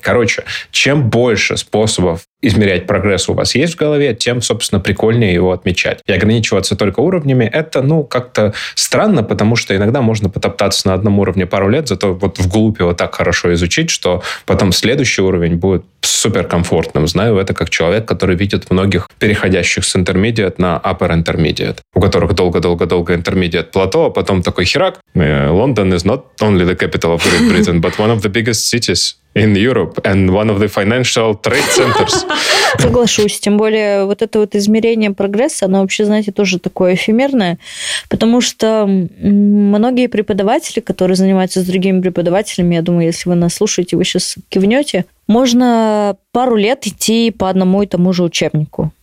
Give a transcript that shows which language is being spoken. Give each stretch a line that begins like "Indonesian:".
Russian: Короче, чем больше способов измерять прогресс у вас есть в голове, тем, собственно, прикольнее его отмечать. И ограничиваться только уровнями, это, ну, как-то странно, потому что иногда можно потоптаться на одном уровне пару лет, зато вот вглубь его так хорошо изучить, что потом следующий уровень будет суперкомфортным. Знаю это как человек, который видит многих переходящих с intermediate на upper intermediate, у которых долго-долго-долго intermediate плато, а потом такой херак.
English: London is not only the capital of Great Britain, but one of the biggest cities in Europe and one of the financial trade centers.
Russian: Соглашусь. Тем более, вот это вот измерение прогресса, оно вообще, знаете, тоже такое эфемерное, потому что многие преподаватели, которые занимаются с другими преподавателями, я думаю, если вы нас слушаете, вы сейчас кивнете, можно пару лет идти по одному и тому же учебнику.